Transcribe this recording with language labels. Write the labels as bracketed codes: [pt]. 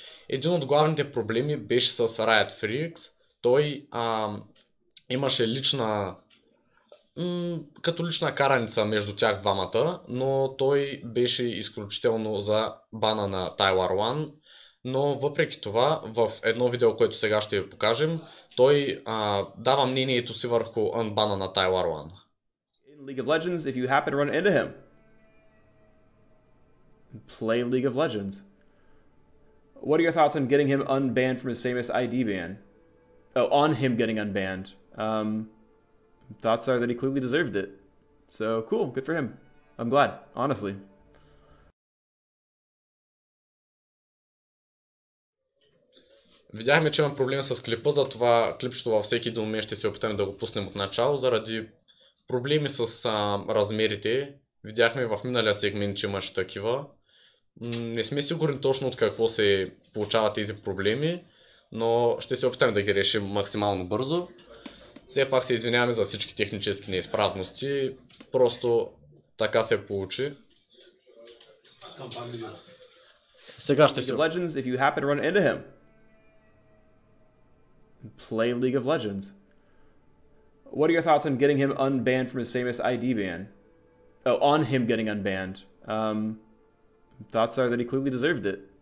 [bg] Един от главните проблеми беше с Riot Freaks. Той имаше лична, като лична караница между тях двамата, но той беше изключително за бана на Тайлър Уан. Но въпреки това, в едно видео, което сега ще ви покажем, той дава мнението си върху анбана на Тайлър Уан. [en] In League of Legends, if you happen to run into him, play League of Legends. What are your thoughts on getting him unbanned from his famous ID ban? Oh, on him getting unbanned. Thoughts are that he clearly deserved it. So, cool. Good for him. I'm glad, honestly. [bg] Видяхме, че имам проблем с клипа, затова клипчето във всеки един момент ще се опитаме да го пуснем от начало, заради проблеми с размерите. Видяхме в миналия сегмент, че имаше такива. Не сме сигурни точно от какво се получават тези проблеми, но ще се опитаме да ги решим максимално бързо. Все пак се извиняваме за всички технически неизправности, просто така се получи. Сега ще се... [en] League of Legends, if you happen to run into him, play League of Legends. What are your thoughts on getting him unbanned from his famous ID ban? Oh, on him getting unbanned. Thoughts are that he clearly deserved it.